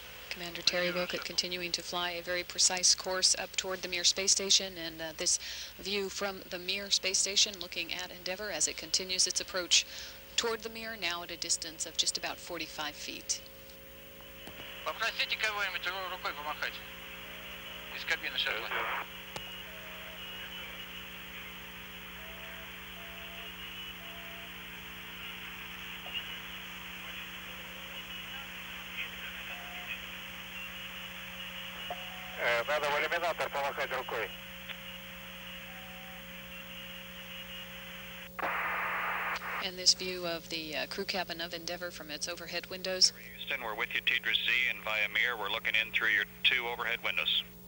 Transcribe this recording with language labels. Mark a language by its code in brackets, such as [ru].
[en] Commander Terry Wilkett continuing to fly a very precise course up toward the Mir space station, and this view from the Mir space station looking at Endeavour as it continues its approach toward the Mir, now at a distance of just about 45 feet. [ru] Попросите кого-нибудь рукой помахать из кабины шаттла. Надо в иллюминатор помахать рукой. [en] And this view of the crew cabin of Endeavour from its overhead windows. Houston, we're with you, Tidra Z, and via Mir, we're looking in through your two overhead windows.